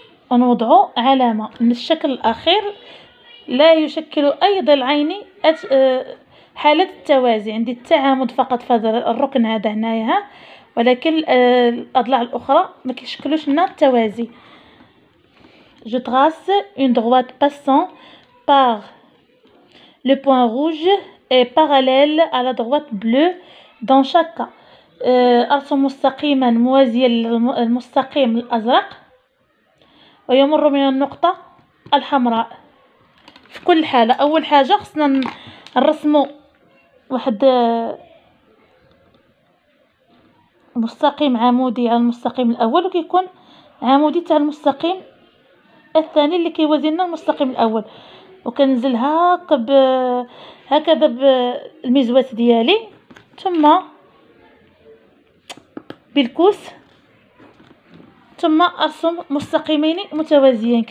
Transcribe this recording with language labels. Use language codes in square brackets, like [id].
[ar] ونوضع علامة من الشكل الأخير لا يشكل أي ضلعين حالة التوازي، عندي التعامد فقط في هذا الركن هذا هنايا، ولكن الأضلاع الأخرى ما كيشكلوش لنا التوازي. [fr] Je trace une droite passant par le point rouge et parallèle à la droite bleue dans chaque cas. [ar] أرسم مستقيما موازيا للمستقيم الأزرق ويمر من النقطة الحمراء في كل حالة. أول حاجة خصنا نرسمو واحد مستقيم عمودي على المستقيم الأول، وكيكون عمودي تاع المستقيم الثاني اللي كيوازي لنا المستقيم الأول، وكنزل هاك هكذا بالمزواس ديالي، ثم بالكوس، ثم أرسم مستقيمين متوازيين.